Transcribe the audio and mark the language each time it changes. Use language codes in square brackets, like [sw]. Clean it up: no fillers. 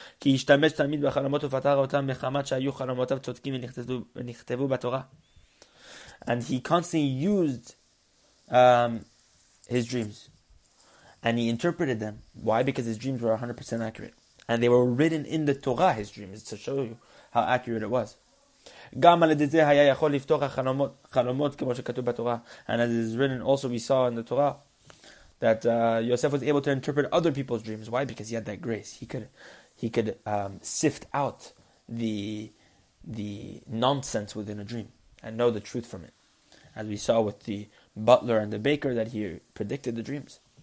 [en] And he constantly used his dreams. And he interpreted them. Why? Because his dreams were 100% accurate. And they were written in the Torah, his dreams, to show you how accurate it was. [he] גם על ידי זה היה יכול לפתוח החלומות, חלומות כמו שכתוב בתורה. [en] And as is written also we saw in the Torah, that Yosef was able to interpret other people's dreams. Why? Because he had that grace. He could sift out the nonsense within a dream and know the truth from it. As we saw with the butler and the baker, that he predicted the dreams.